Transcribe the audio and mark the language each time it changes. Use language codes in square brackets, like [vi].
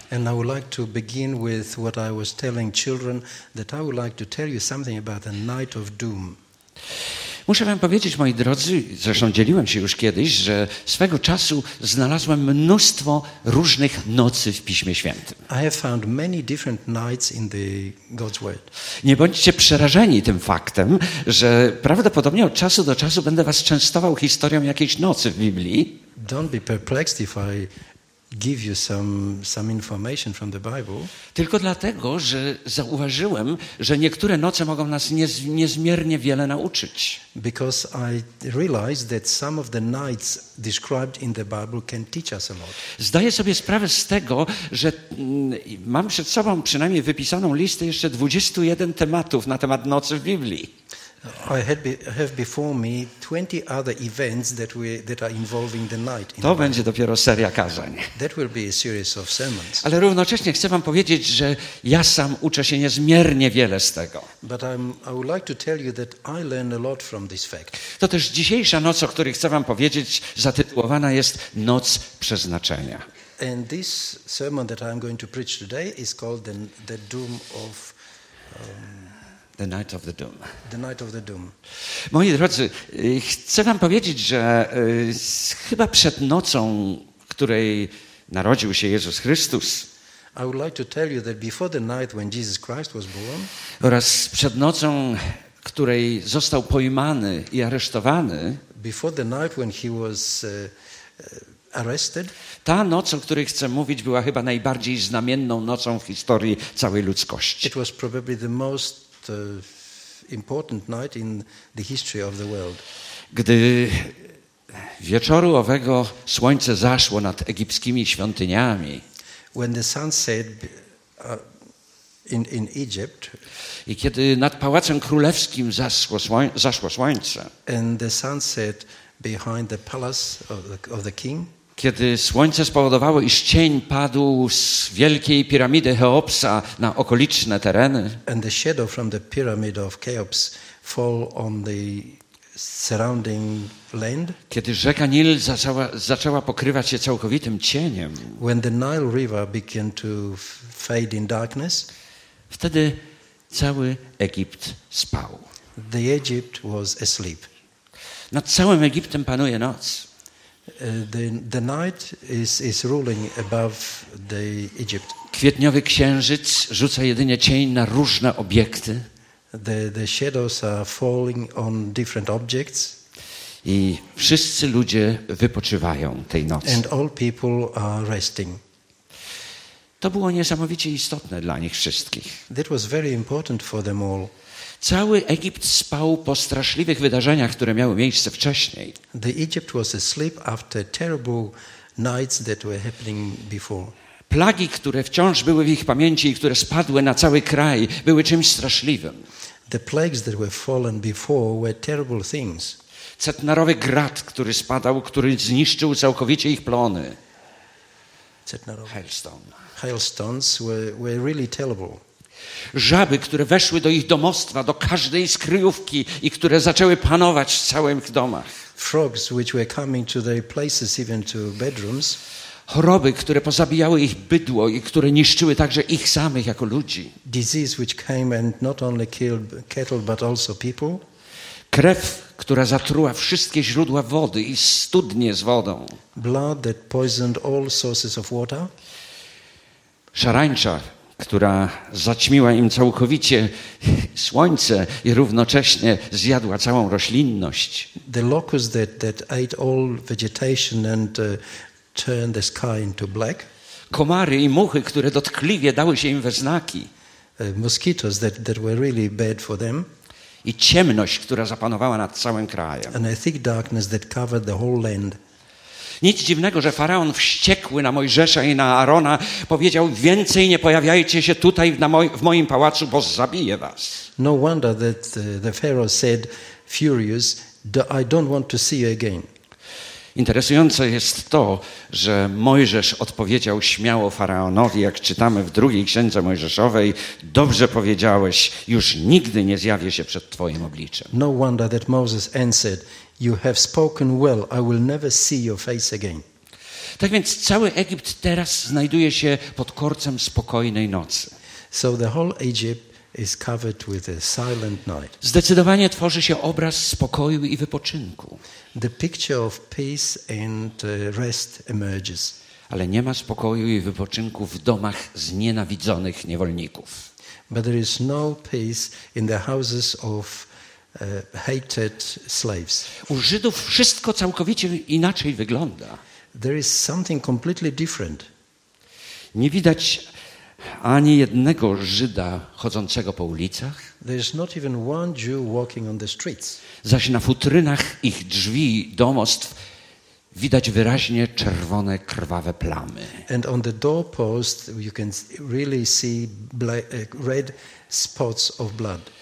[en] And I would like to begin with what I was telling children, that I would like to tell you something about the night of doom. [pl] Muszę wam powiedzieć, moi drodzy, zresztą dzieliłem się już kiedyś, że swego czasu znalazłem mnóstwo różnych nocy w Piśmie Świętym. [en] I have found many different nights in the God's Word. [pl] Nie bądźcie przerażeni tym faktem, że prawdopodobnie od czasu do czasu będę was częstował historią jakiejś nocy w Biblii. [en] Don't be perplexed if I give you some information from the Bible. [pl] Tylko dlatego, że zauważyłem, że niektóre noce mogą nas niezmiernie wiele nauczyć. [en] Because I realized that some of the nights described in the Bible can teach us a lot. [pl] Zdaję sobie sprawę z tego, że mam przed sobą przynajmniej wypisaną listę jeszcze 21 tematów na temat nocy w Biblii. [en] I have before me 20 other events that are involving the night. [pl] To będzie dopiero seria kazań. [en] That will be a series of sermons. [pl] Ale równocześnie chcę wam powiedzieć, że ja sam uczę się niezmiernie wiele z tego. [en] But I would like to tell you that I learn a lot from this fact. [pl] To też dzisiejsza noc, o której chcę wam powiedzieć, zatytułowana jest Noc Przeznaczenia. [en] And this sermon that I'm going to preach today is called the Doom of The Night of the Doom. The Night of the Doom. [pl] Moi drodzy, chcę wam powiedzieć, że chyba przed nocą, w której narodził się Jezus Chrystus, [en] I would like to tell you that before the night when Jesus Christ was born, [pl] oraz przed nocą, której został pojmany i aresztowany, [en] before the night when he was arrested, [pl] ta noc, o której chcę mówić, była chyba najbardziej znamienną nocą w historii całej ludzkości. [en] It was probably the most important night in the history of the world. [pl] Gdy wieczoru owego słońce zaszło nad egipskimi świątyniami, [en] when the sun set in Egypt, [pl] i kiedy nad pałacem królewskim zaszło słońce, [en] and the sun set behind the palace of the king, [pl] kiedy słońce spowodowało, iż cień padł z wielkiej piramidy Cheopsa na okoliczne tereny, [en] and the shadow from the pyramid of Cheops fall on the surrounding land, [pl] kiedy rzeka Nil zaczęła pokrywać się całkowitym cieniem, [en] when the Nile River began to fade in darkness, [pl] wtedy cały Egipt spał. [en] The Egypt was asleep. [pl] Nad całym Egiptem panuje noc. [en] The night is ruling above the Egypt. [pl] Kwietniowy księżyc rzuca jedynie cień na różne obiekty. [en] The shadows are falling on different objects. [pl] I wszyscy ludzie wypoczywają tej nocy. [en] And all people are resting. [pl] To było niesamowicie istotne dla nich wszystkich. [en] That was very important for them all. [pl] Cały Egipt spał po straszliwych wydarzeniach, które miały miejsce wcześniej. [en] The Egypt was asleep after terrible nights that were happening before. [pl] Plagi, które wciąż były w ich pamięci i które spadły na cały kraj, były czymś straszliwym. [en] The plagues that were fallen before were terrible things. [pl] Cetnarowy grad, który spadał, który zniszczył całkowicie ich plony. Cetnarowy. [en] Hailstone. Hailstones were really terrible. [pl] Żaby, które weszły do ich domostwa, do każdej z kryjówki i które zaczęły panować w całych domach. [en] Frogs, which were coming to their places, even to bedrooms. [pl] Choroby, które pozabijały ich bydło i które niszczyły także ich samych jako ludzi. [en] Disease, which came and not only killed cattle, but also people. [pl] Krew, która zatruła wszystkie źródła wody i studnie z wodą. [en] Blood that poisoned all sources of water. [pl] Szarańcza, która zaćmiła im całkowicie słońce i równocześnie zjadła całą roślinność. [en] The locust that ate all vegetation and turned the sky into black. [pl] Komary i muchy, które dotkliwie dały się im we znaki. [en] Mosquitoes that were really bad for them. [pl] I ciemność, która zapanowała nad całym krajem. [en] And a thick darkness that covered the whole land. [pl] Nic dziwnego, że Faraon wściekły na Mojżesza i na Arona powiedział: więcej nie pojawiajcie się tutaj w moim pałacu, bo zabiję was. [en] No wonder that the Pharaoh said, furious, I don't want to see you again. [pl] Interesujące jest to, że Mojżesz odpowiedział śmiało Faraonowi, jak czytamy w drugiej księdze Mojżeszowej, dobrze powiedziałeś, już nigdy nie zjawię się przed Twoim obliczem. [en] No wonder that Moses answered, you have spoken well, I will never see your face again. [pl] Tak więc cały Egipt teraz znajduje się pod korcem spokojnej nocy. [en] So the whole Egypt is covered with a silent night. [pl] Zdecydowanie tworzy się obraz spokoju i wypoczynku. [en] The picture of peace and rest emerges. [pl] Ale nie ma spokoju i wypoczynku w domach znienawidzonych niewolników. [en] But there is no peace in the houses of hated slaves. [pl] U Żydów wszystko całkowicie inaczej wygląda. [en] There is something completely different. [pl] Nie widać ani jednego Żyda chodzącego po ulicach. [en] There is not even one Jew walking on the streets. [pl] Zaś na futrynach ich drzwi i domostw widać wyraźnie czerwone, krwawe plamy. [en] And on the doorpost you can really see red spots of blood.